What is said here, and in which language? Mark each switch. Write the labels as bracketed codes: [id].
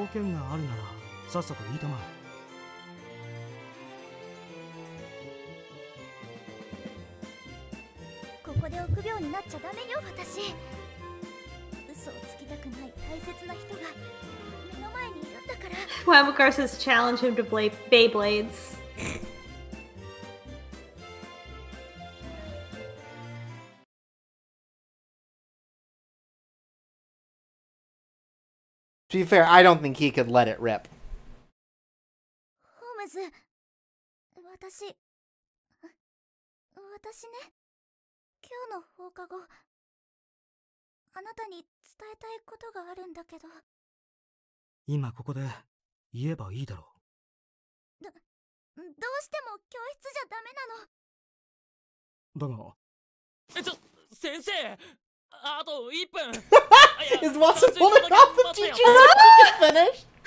[ja] 用件があるならさっさと言いたまえ。ここで臆病になっちゃダメよ、私。嘘をつきたくない大切な人が目の前にいるんだから。 [en] Why would Carson challenge him to play Beyblades? To be fair, I don't think he could let it rip. [ja] Holmes, 私、私ね、今日の放課後、あなたに伝えたいことがあるんだけど。今ここで言えばいいだろう。どうしても教室じゃダメなの。だが、ちょ、先生。 [en] Is Watson pulling off the teacher's book to finish?